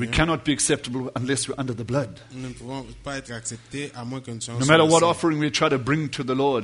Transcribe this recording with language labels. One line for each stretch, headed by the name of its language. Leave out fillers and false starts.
English: We cannot be acceptable unless we're under the blood.
French: Nous ne pouvons pas être acceptés à moins que nous soyons.
English: No matter what offering we try to bring to the Lord.